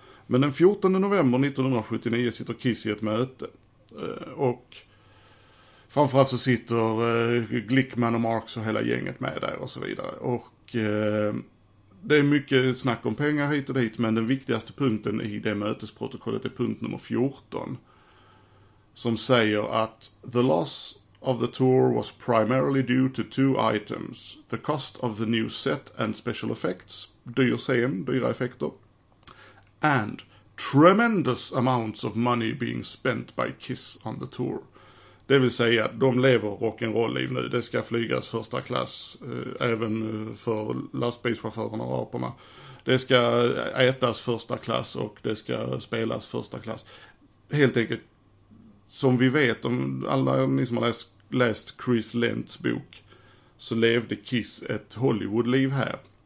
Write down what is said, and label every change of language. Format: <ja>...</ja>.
<sv>Men den 14 november 1979 sitter Kiss i ett möte. Och framförallt så sitter Glickman och Marx och hela gänget med där och så vidare. Och det är mycket snack om pengar hit och dit, men den viktigaste punkten i det mötesprotokollet är punkt nummer 14. Som säger att</sv> <en>the loss of the tour was primarily due to two items. The cost of the new set and special effects,</en> <sv>dyr scen, dyra effekter.</sv> <en>And tremendous amounts of money being spent by Kiss on the tour.</en> <sv>Det vill säga att de lever rock'n'roll-liv nu. Det ska flygas första klass även för lastbilschaufförerna och aporna. Det ska ätas första klass och det ska spelas första klass. Helt enkelt, som vi vet, om alla ni som har läst Chris Lents bok, så levde Kiss ett Hollywood-liv här.</sv>